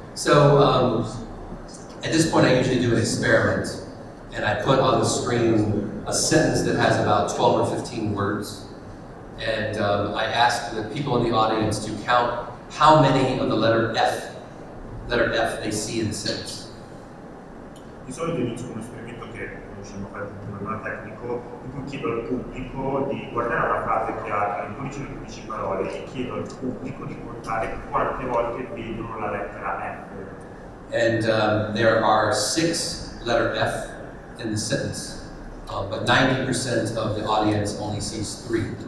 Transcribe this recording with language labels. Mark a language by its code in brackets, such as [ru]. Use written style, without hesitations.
[en] So, at this point I usually do an experiment, and I put on the screen a sentence that has about 12 or 15 words. And I asked the people in the audience to count how many of the letter F they see in the sentence. [it] Di solito inizio con un esperimento che conosciamo fare un problema tecnico, in cui chiedo al pubblico di guardare una frase che ha tra le 12 e le 15 parole e chiedo al pubblico di contare quante volte vedono la lettera F. [en] And there are 6 letter F in the sentence, but 90% of the audience only sees 3.